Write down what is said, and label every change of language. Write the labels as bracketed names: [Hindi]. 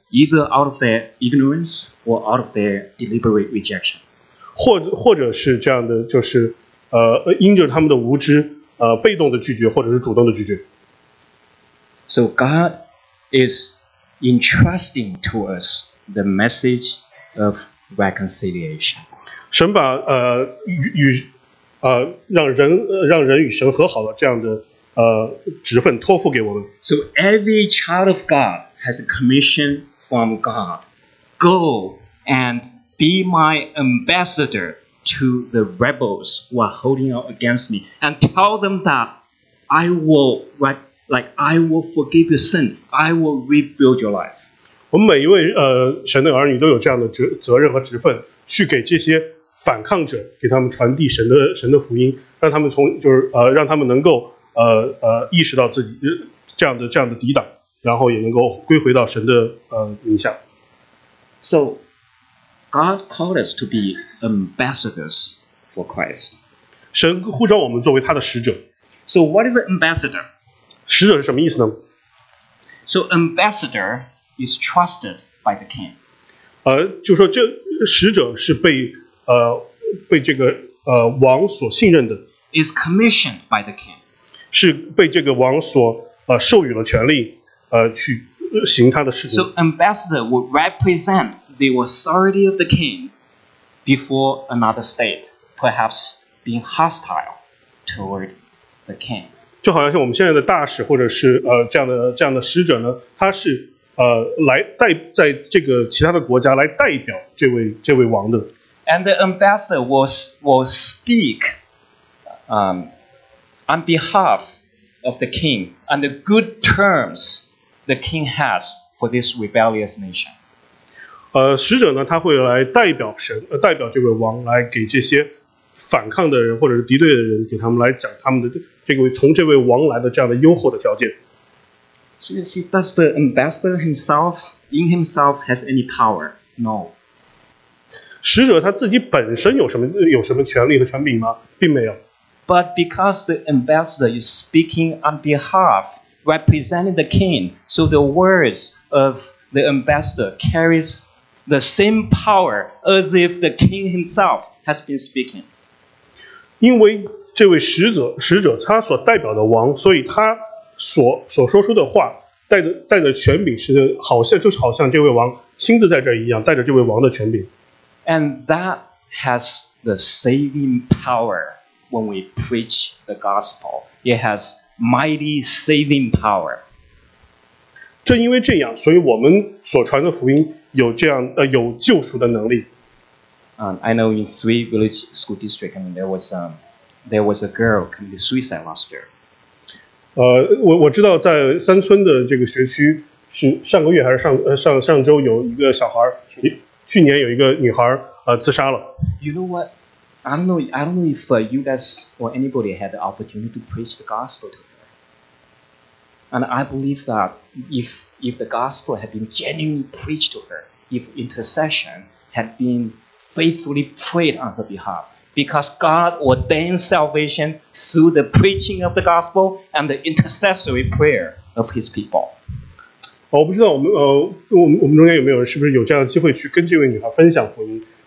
[English] Either out of their ignorance or out of their deliberate rejection. [Chinese] 或者是这样的就是因着他们的无知被动的拒绝或者是主动的拒绝。 [English] So God is entrusting to us the message. Of reconciliation. [Chinese] 神把让人与神和好的这样的职分托付给我们。 [English] So every child of God has a commission from God. Go and be my ambassador to the rebels who are holding out against me, and tell them that I will write, like I will forgive your sin, I will rebuild your life. [Chinese] 我们每一位神的儿女都有这样的责任和职分，去给这些反抗者，给他们传递神的福音，让他们从就是让他们能够意识到自己这样的抵挡，然后也能够归回到神的名下。 [English] So, God called us to be ambassadors for Christ. [Chinese] 神呼召我们作为他的使者。 [English] So, what is an ambassador? [Chinese] 使者是什么意思呢？ [English] So, ambassador is trusted by the king. [Chinese] 就说这使者是被被这个王所信任的。 [English] Is commissioned by the king. [Chinese] 是被这个王所授予了权力。去行他的事情。 [English] So ambassador would represent the authority of the king before another state, perhaps being hostile toward the king. [Chinese] 就好像我们现在的大使或者是这样的使者呢，他是来代在这个其他的国家来代表这位王的。 [English] And the ambassador will speak on behalf of the king on the good terms. The king has for this rebellious nation. [Chinese] 使者呢，他会来代表神，代表这位王，来给这些反抗的人或者是敌对的人，给他们来讲他们的这个从这位王来的这样的优厚的条件。 [English] So you see, does the ambassador himself in himself has any power? No. [Chinese] 使者他自己本身有什么权利和权柄吗？并没有。 [English] But because the ambassador is speaking on behalf. Representing the king, so the words of the ambassador carries the same power as if the king himself has been speaking. [Chinese] 因为这位使者他所代表的王，所以他所说出的话带着权柄，是好像这位王亲自在这一样，带着这位王的权柄。 [English] And that has the saving power when we preach the gospel. It has. Mighty saving power. [Chinese] 正因为这样，所以我们所传的福音有这样有救赎的能力。 [English] I know in Three Village School District, I mean, there was a girl committed suicide last year. [Chinese] 我知道在三村的这个学区是上个月还是上周有一个小孩，去年有一个女孩自杀了。 [English] You know what? I don't know if you guys or anybody had the opportunity to preach the gospel to her. And I believe that if the gospel had been genuinely preached to her, if intercession had been faithfully prayed on her behalf, because God ordained salvation through the preaching of the gospel and the intercessory prayer of his people. [Chinese] 我不知道我们中间有没有是不是有这样的机会去跟这位女孩分享福音。